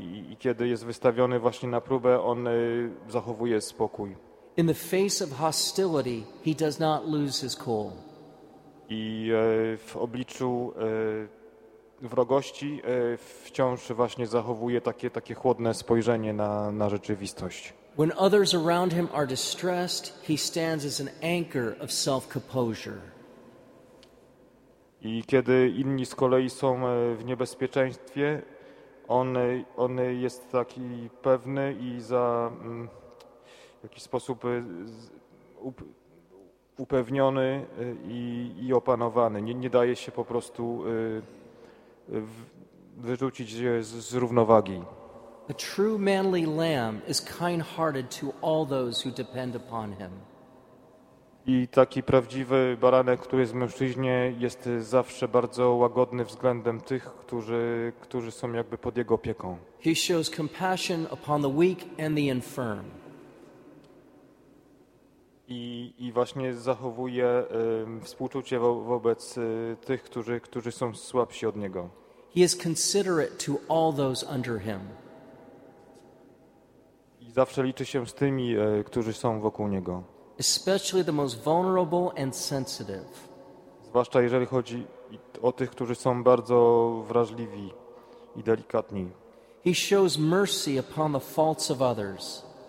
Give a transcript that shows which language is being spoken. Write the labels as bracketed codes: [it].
[pl] I kiedy jest wystawiony właśnie na próbę, on zachowuje spokój. [en] In the face of hostility, he does not lose his cool. [pl] I w obliczu wrogości wciąż właśnie zachowuje takie chłodne spojrzenie na rzeczywistość. [en] When others around him are distressed, he stands as an anchor of self-composure. [pl] I kiedy inni z kolei są w niebezpieczeństwie, on jest taki pewny i w jakiś sposób upewniony i opanowany. Nie daje się po prostu wyrzucić z równowagi. [en] A true manly lamb is kind-hearted to all those who depend upon him. [pl] I taki prawdziwy baranek, który jest mężczyźnie, jest zawsze bardzo łagodny względem tych, którzy są jakby pod jego opieką. [en] He shows compassion upon the weak and the infirm. [pl] I właśnie zachowuje współczucie wobec tych, którzy są słabsi od niego. [en] He is considerate to all those under him. [pl] Zawsze liczy się z tymi, którzy są wokół niego. [en] Especially the most vulnerable and sensitive. [pl] Zwłaszcza jeżeli chodzi o tych, którzy są bardzo wrażliwi i delikatni. [en] He shows mercy upon the faults of others.